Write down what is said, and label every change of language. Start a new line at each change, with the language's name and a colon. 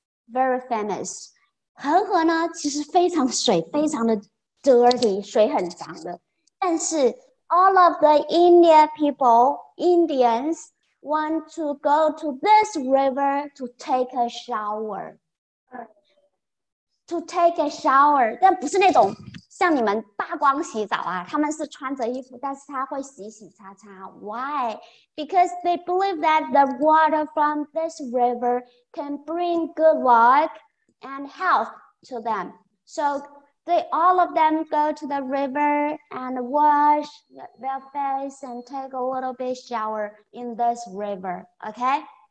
English: Very famous.
Chinese: 恒河呢，其实非常水，非常的dirty, 水很脏的。但是
English: all of the India people, Indians, want to go to this river to take a shower. To take a shower.
Chinese: 但不是那种像你们扒光洗澡啊，他们是穿着衣服，但是他会洗洗擦擦。
English: Why? Because they believe that the water from this river can bring good luck and health to them. So,They all of them go to the river and wash their face and take a little bit shower in this river, okay?